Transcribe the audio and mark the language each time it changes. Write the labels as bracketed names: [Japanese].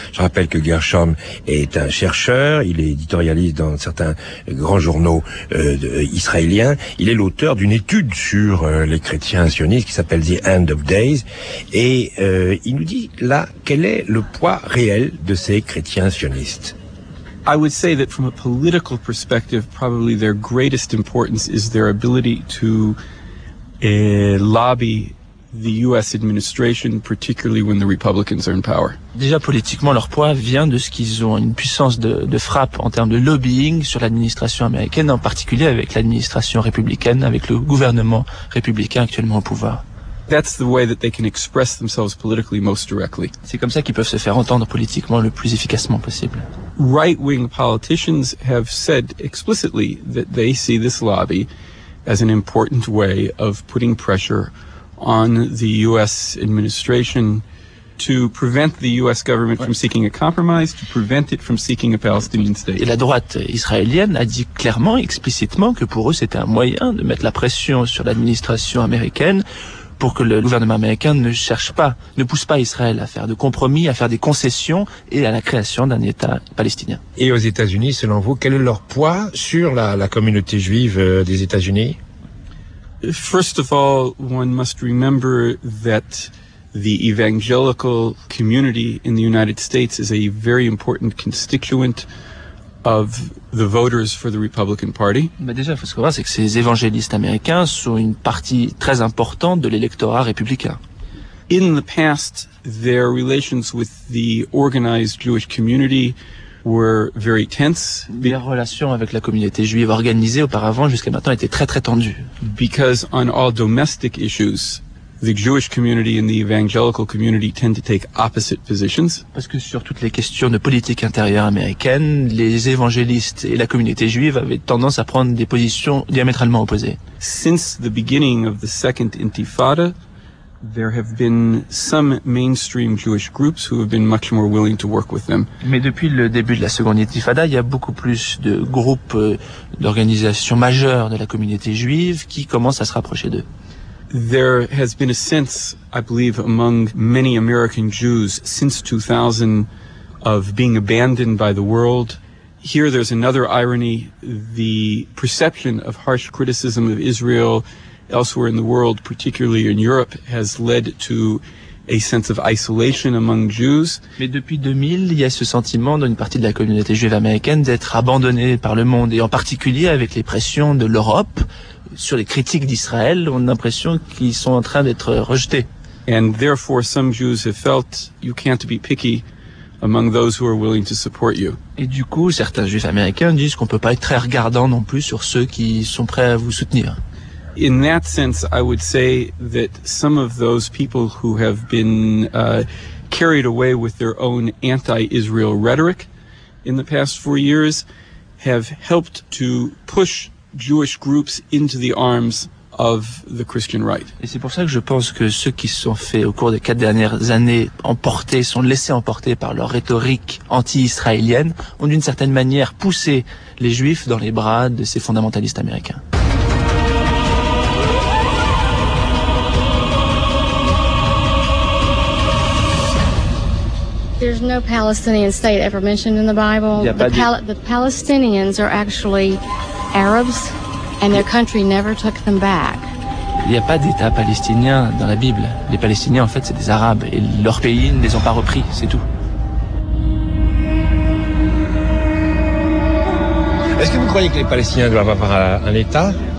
[French] Je rappelle que Gershom est un chercheur, il est éditorialiste dans certains grands journaux israéliens. Il est l'auteur d'une étude sur les chrétiens sionistes qui s'appelle The End of Days. Et il nous dit là quel est le poids réel de ces chrétiens sionistes. [English] I would say that from a political perspective, probably their greatest importance is their ability to lobby the U.S. administration, particularly when the Republicans are in power. [French] Déjà, politiquement, leur poids vient de ce qu'ils ont une puissance de frappe en termes de lobbying sur l'administration américaine, en particulier avec l'administration républicaine, avec le gouvernement républicain actuellement au pouvoir. [English] That's the way that they can express themselves politically most directly. [French] C'est comme ça qu'ils peuvent se faire entendre politiquement le plus efficacement possible. [English] Right-wing politicians have said explicitly that they see this lobby as an important way of putting pressure on the US administration to prevent the US government from seeking a compromise, to prevent it from seeking a Palestinian state. [French] Et la droite israélienne a dit clairement, explicitement que pour eux c'était un moyen de mettre la pression sur l'administration américaine pour que le gouvernement américain ne cherche pas, ne pousse pas Israël à faire de compromis, à faire des concessions et à la création d'un État palestinien. Et aux États-Unis, selon vous, quel est leur poids sur la communauté juive des États-Unis? [English] First of all, one must remember that the evangelical community in the United States is a very important constituent of the voters for the Republican Party. [French] Mais déjà, faut se croire, c'est que ces évangélistes américains sont une partie très importante de l'électorat républicain. [English] In the past, their relations with the organized Jewish community were very tense. [French] Leurs relations avec la communauté juive organisée auparavant jusqu'à maintenant étaient très très tendues. [English] Because on all domestic issues, the Jewish community and the evangelical community tend to take opposite positions. [French] Parce que sur toutes les questions de politique intérieure américaine, les évangélistes et la communauté juive avaient tendance à prendre des positions diamétralement opposées. [English] Since the beginning of the Second Intifada, there have been some mainstream Jewish groups who have been much more willing to work with them. [French] Mais depuis le début de la Seconde Intifada, il y a beaucoup plus de groupes d'organisations majeures de la communauté juive qui commencent à se rapprocher d'eux. [English] There has been a sense, I believe, among many American Jews since 2000 of being abandoned by the world. Here there's another irony. The perception of harsh criticism of Israel elsewhere in the world, particularly in Europe, has led to a sense of isolation among Jews. [French] Mais depuis 2000, il y a ce sentiment dans une partie de la communauté juive américaine d'être abandonnée par le monde, et en particulier avec les pressions de l'Europe sur les critiques d'Israël, on a l'impression qu'ils sont en train d'être rejetés. [English] And therefore some Jews have felt you can't be picky among those who are willing to support you. [French] Et du coup, certains juifs américains disent qu'on peut pas être très regardant non plus sur ceux qui sont prêts à vous soutenir. [English] In that sense, I would say that some of those people who have been carried away with their own anti-Israel rhetoric in the past 4 years have helped to push Jewish groups into the arms of the Christian right. [French] Et c'est pour ça que je pense que ceux qui se sont fait au cours des 4 dernières années emporter, sont laissés emporter par leur rhétorique anti-israélienne, ont d'une certaine manière poussé les juifs dans les bras de ces fondamentalistes américains. [English] There's no Palestinian state ever mentioned in the Bible. The Palestinians are actually Arabs, and their country never took them back. [French] Il n'y a pas d'État palestinien dans la Bible. Les Palestiniens, en fait, c'est des Arabes, et leur pays ne les ont pas repris, c'est tout. Est-ce que vous croyez que les Palestiniens doivent avoir un État?